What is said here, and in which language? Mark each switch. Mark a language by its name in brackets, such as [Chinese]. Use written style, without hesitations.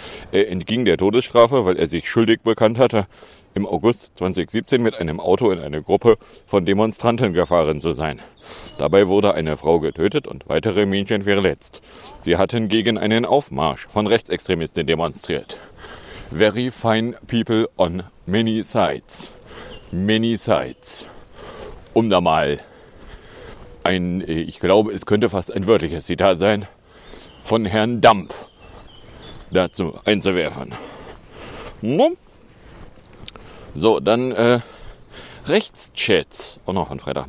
[German] Er entging der Todesstrafe, weil er sich schuldig bekannt hatte, im August 2017 mit einem Auto in eine Gruppe von Demonstranten gefahren zu sein. Dabei wurde eine Frau getötet und weitere Menschen verletzt. Sie hatten gegen einen Aufmarsch von Rechtsextremisten demonstriert. [English] Very fine people on many sides. Many sides. [German] Um da mal ein, ich glaube, es könnte fast ein wörtliches Zitat sein, von Herrn Damp dazu einzuwerfen. So, dann Rechtschats, auch noch von Freitag.